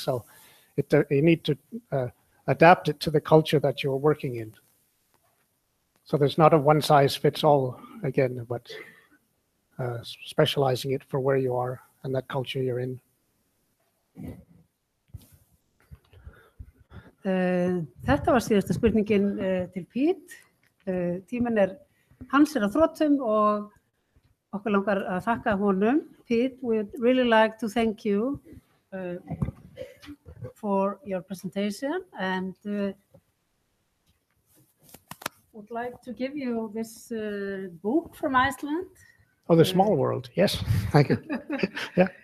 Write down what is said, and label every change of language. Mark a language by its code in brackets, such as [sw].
[en] So you need to adapt it to the culture that you're working in. So there's not a one size fits all again, but specializing it for where you are and that culture you're in. [is] Þetta var síðasta spurningin til Pete. Tíminn hans að þrotum og Okkur langar að þakka honum. [en] Pete, we'd really like to thank you for your presentation and would like to give you this book from Iceland. Oh, The Small World. Yes, thank you. Yeah.